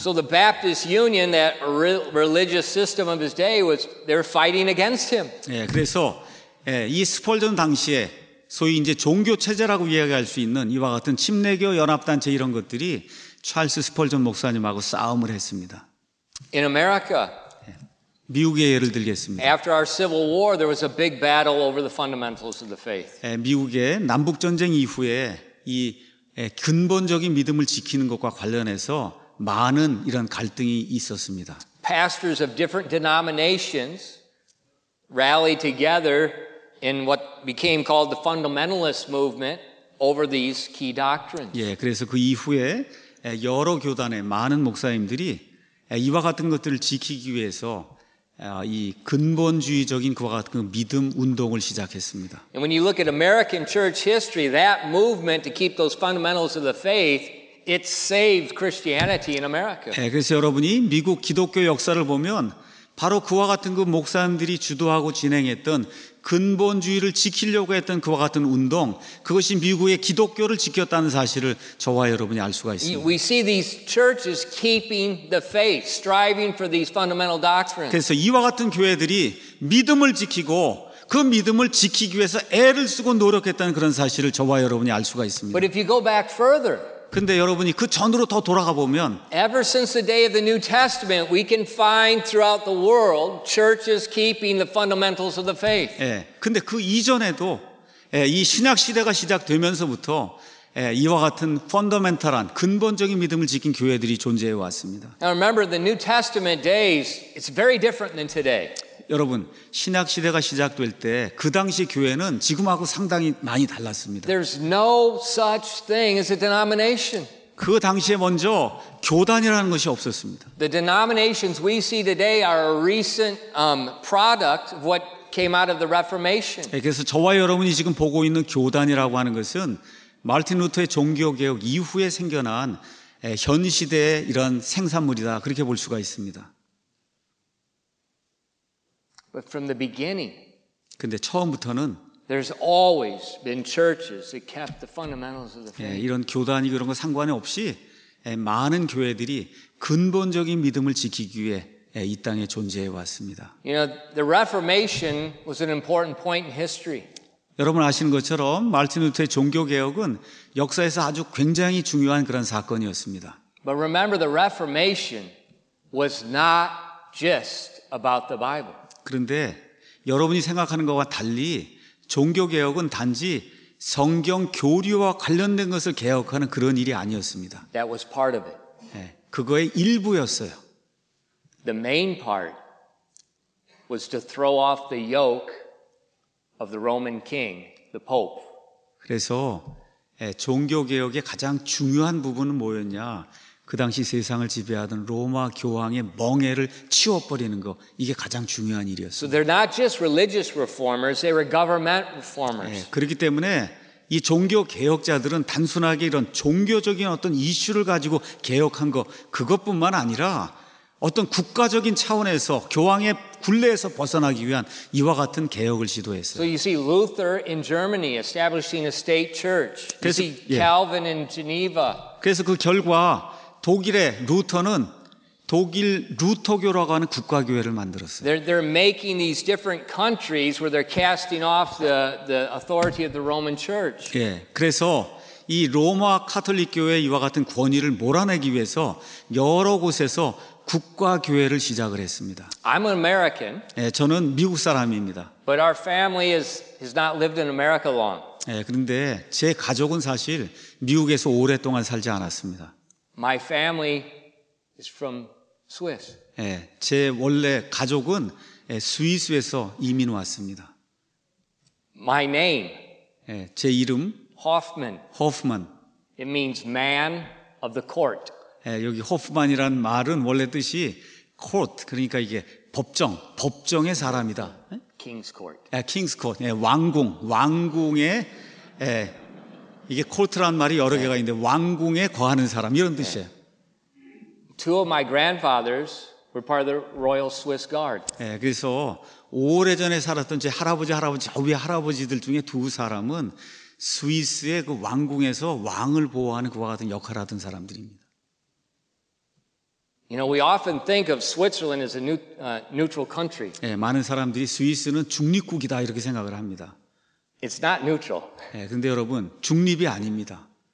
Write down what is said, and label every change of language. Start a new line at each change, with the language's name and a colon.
English: So the Baptist Union, that religious system of his day, was they're fighting against him.
Korean: 그래서 이 스펄전 당시에 소위 이제 종교 체제라고 이야기할 수 있는 이와 같은 침례교 연합 단체 이런 것들이 찰스 스펄전 목사님하고 싸움을 했습니다.
English: In America,
Korean: 미국의 예를 들겠습니다.
English: After our Civil War, there was a big battle over the fundamentals of the faith.
Korean: 미국의 남북 전쟁 이후에 이 근본적인 믿음을 지키는 것과 관련해서 많은 이런 갈등이 있었습니다.
English: Pastors of different denominations rallied together in what became called the fundamentalist movement over these key doctrines.
Korean: 그래서 그 이후에 여러 교단의 많은 목사님들이 이와 같은 것들을 지키기 위해서 이 근본주의적인 그와 같은 그 믿음 운동을 시작했습니다.
English: And when you look at American church history, that movement to keep those fundamentals of the faith, it saved Christianity in America.
Korean: 그래서 여러분이 미국 기독교 역사를 보면 바로 그와 같은 그 목사님들이 주도하고 진행했던 근본주의를 지키려고 했던 그와 같은 운동, 그것이 미국의 기독교를 지켰다는 사실을 저와 여러분이 알 수가 있습니다.
English: We see these churches keeping the faith, striving for these fundamental doctrines.
Korean: 그래서 이와 같은 교회들이 믿음을 지키고 그 믿음을 지키기 위해서 애를 쓰고 노력했다는 그런 사실을 저와 여러분이 알 수가 있습니다.
English: But if you go back further,
Korean: 근데 여러분이 그 전으로 더 돌아가 보면
English: Ever since the day of the New Testament, we can find throughout the world churches keeping the fundamentals of the faith.
Korean: 근데 그 이전에도 이 신약 시대가 시작되면서부터 이와 같은 펀더멘탈한 근본적인 믿음을 지킨 교회들이 존재해 왔습니다.
English: Now remember the New Testament days, it's very different than today.
Korean: 여러분, 신약 시대가 시작될 때 그 당시 교회는 지금하고 상당히 많이 달랐습니다.
English: There's no such thing as a denomination.
Korean: 그 당시에 먼저 교단이라는 것이 없었습니다.
English: The denominations we see today are a recent product of what came out of the Reformation.
Korean: 그래서 저와 여러분이 지금 보고 있는 교단이라고 하는 것은 마르틴 루터의 종교 개혁 이후에 생겨난 현 시대의 이런 생산물이다 그렇게 볼 수가 있습니다.
English: But from the beginning,
Korean: 근데 처음부터는
English: there's always been churches that kept the fundamentals of the faith.
Korean: 이런 교단이 그런 거 상관없이 많은 교회들이 근본적인 믿음을 지키기 위해 이 땅에 존재해 왔습니다.
English: You know, the Reformation was an important point in history.
Korean: 여러분 아시는 것처럼 마르틴 루터의 종교 개혁은 역사에서 아주 굉장히 중요한 그런 사건이었습니다.
English: But remember, the Reformation was not just about the Bible.
Korean: 그런데 여러분이 생각하는 것과 달리 종교개혁은 단지 성경 교리와 관련된 것을 개혁하는 그런 일이 아니었습니다.
English: That was part of it.
Korean: 그거의 일부였어요.
English: The main part was to throw off the yoke of the Roman king, the Pope.
Korean: 그래서 종교개혁의 가장 중요한 부분은 뭐였냐? 그 당시 세상을 지배하던 로마 교황의 멍에를 치워버리는 거, 이게 가장 중요한 일이었어요.
English: So they're not just religious reformers, they were government reformers.
Korean: 그렇기 때문에 이 종교 개혁자들은 단순하게 이런 종교적인 어떤 이슈를 가지고 개혁한 거, 그것뿐만 아니라 어떤 국가적인 차원에서 교황의 굴레에서 벗어나기 위한 이와 같은 개혁을 시도했어요.
English: So you see Luther in Germany establishing a state church. You see Calvin in Geneva.
Korean: 그래서 그 결과 독일의 루터는 독일 루터교라고 하는 국가교회를 만들었어요.
English: They're making these different countries where they're casting off the authority of the Roman Church.
Korean: 예, 그래서 이 로마 가톨릭 교회 이와 같은 권위를 몰아내기 위해서 여러 곳에서 국가교회를 시작을 했습니다.
English: I'm an American.
Korean: 예, 저는 미국 사람입니다.
English: But our family has not lived in America long.
Korean: 예, 그런데 제 가족은 사실 미국에서 오랫동안 살지 않았습니다.
English: My family is from Swiss.
Korean: 예, 제 원래 가족은 스위스에서 이민 왔습니다.
English: My name.
Korean: 예, 제 이름.
English: Hoffman.
Korean: Hoffman.
English: It means man of the court.
Korean: 예, 여기 Hoffman이란 말은 원래 뜻이 court, 그러니까 이게 법정, 법정의 사람이다.
English: King's court. 예, King's court.
Korean: 예, 왕궁, 왕궁의 예, 이게 court란 말이 여러 개가 있는데 왕궁에 거하는 사람 이런 뜻이에요.
English: Two of my grandfathers were part of the Royal Swiss Guard.
Korean: 예, 그래서 오래전에 살았던 제 할아버지, 할아버지, 저 위에 할아버지들 중에 두 사람은 스위스의 그 왕궁에서 왕을 보호하는 그와 같은 역할을 하던 사람들입니다.
English: You know, we often think of Switzerland as a neutral country.
Korean: 예, 많은 사람들이 스위스는 중립국이다 이렇게 생각을 합니다.
English: It's not neutral.
Korean: 예, 근데 여러분, 중립이 아닙니다.